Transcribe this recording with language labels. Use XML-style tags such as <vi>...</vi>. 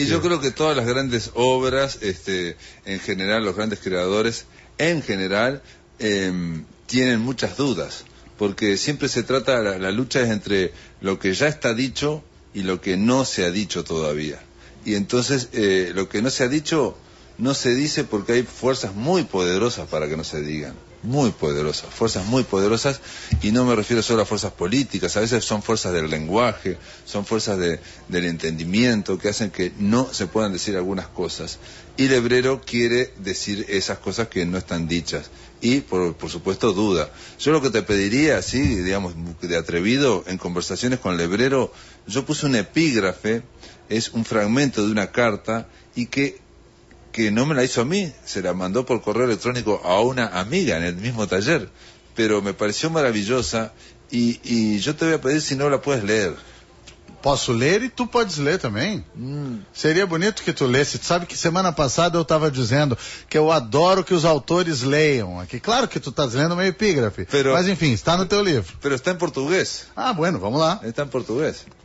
<pt>E eu creio que todas as grandes obras, em geral, os grandes criadores, em geral, têm muitas dúvidas, porque sempre se trata, a luta é entre o que já está dito e o que não</pt> <es>se ha dicho todavía.</es> <pt>E então, o que não</pt> <es>se ha dicho,</es> <pt>não</pt> <es>se dice</es> <pt>porque há forças muito poderosas para que não se digam.</pt> <es>Muy poderosas, fuerzas muy poderosas, y no me refiero solo a fuerzas políticas, a veces son fuerzas del lenguaje, son fuerzas del entendimiento que hacen que no se puedan decir algunas cosas. Y Levrero quiere decir esas cosas que no están dichas, y por supuesto duda. Yo lo que te pediría, así, digamos, de atrevido, en conversaciones con Levrero, yo puse un epígrafe, es un fragmento de una carta, y que no me la hizo a mí, se la mandó por correo electrónico a una amiga en el mismo taller, pero me pareció maravillosa y yo te voy a pedir si no la puedes leer.</es> <pt>Posso ler e tu podes ler também. Seria bonito que tu lesse. Tu sabe que semana passada eu estava dizendo que eu adoro que os autores leiam. Aqui, claro que tu estás lendo uma epígrafe, mas enfim, está no teu livro.</pt> <es>Pero</es> <pt>está em português.</pt> <es>Ah, bueno,</es> <pt>vamos lá. Está em português.</pt>